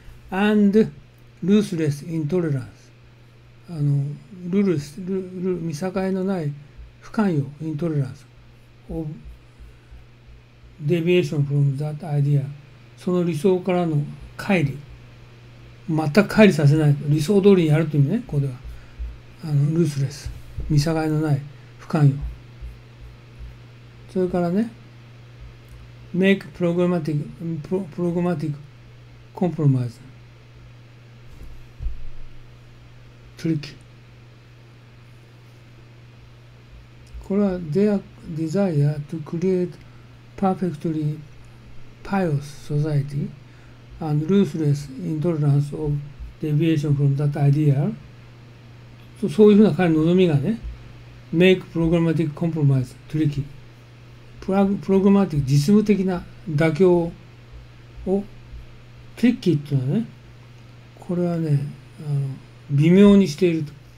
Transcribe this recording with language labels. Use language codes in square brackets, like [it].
[en] And ruthless intolerance、 [ja] あのルルス、ルル、見境のない不寛容、 [en] intolerance of deviation from that idea、 [ja] その理想からの乖離、全く乖離させない、理想通りにやるという意味ね、ここでは。あの、ルースレス、見境のない、不寛容。それからね、 [en] make programmatic, programmatic compromise, tricky。 [ja] これは、 [en] their desire to create perfectly pious society、and ruthless intolerance of deviation from that ideal、 [ja] そういうふうな彼の望みがね、 [en] make programmatic compromise tricky、 [ja] programmatic 実務的な妥協を、 tricky っていうのはね、これはね、あの、微妙にしていると、